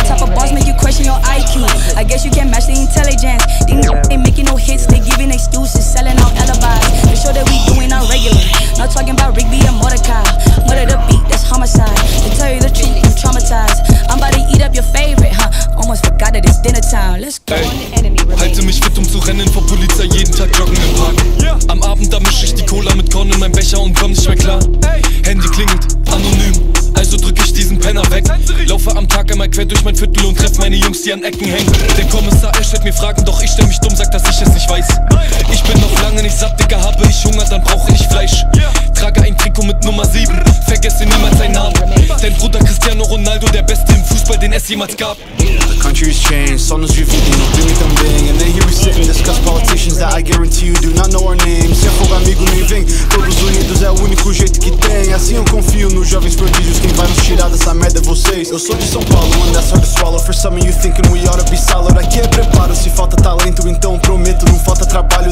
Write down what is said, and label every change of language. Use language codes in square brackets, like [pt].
[en] Type of boss make you question your IQ, I guess you can't match the intelligence. These niggas ain't making no hits, they giving excuses, selling out alibis. Make sure that we doing our regular, not talking about Rigby and Mordecai. Murder the beat, that's homicide, to tell you the truth, I'm traumatized. I'm about to eat up your favorite, huh? Almost forgot that it's dinner time, let's go. [de] Halte mich fit, um zu rennen vor Polizei, jeden Tag Glocken im Park. Am Abend, da misch ich die Cola mit Korn in meinem Becher und komm nicht mehr klar. Handy klingelt, anonym, also drück ich diesen Penner weg. Laufe am Tag einmal quer durch mein Viertel und treff meine Jungs, die an Ecken hängen. Der Kommissar, er stellt mir Fragen, doch ich stell mich dumm, sag, dass ich es nicht weiß. Ich bin noch lange nicht satt, Digga, habe ich Hunger, dann brauche ich Fleisch. Trage ein Trikot mit Nummer 7, vergesse niemals seinen Namen. Dein Bruder Cristiano Ronaldo, der Beste im Fußball, den es jemals gab. [en] The country's changed, sun is revealing, do me thumb bang. And then here we sit and discuss politicians that I guarantee you do not know our names. [pt] Se for amigo me vem, todos unidos é o único jeito que tem. Assim eu confio nos jovens prodígios, quem vai nos tirar dessa merda é vocês. Eu sou de São Paulo, [en] and that's hard to swallow. For some of you thinking we oughta be solid. [pt] Aqui é preparo, se falta talento, então prometo, não falta trabalho.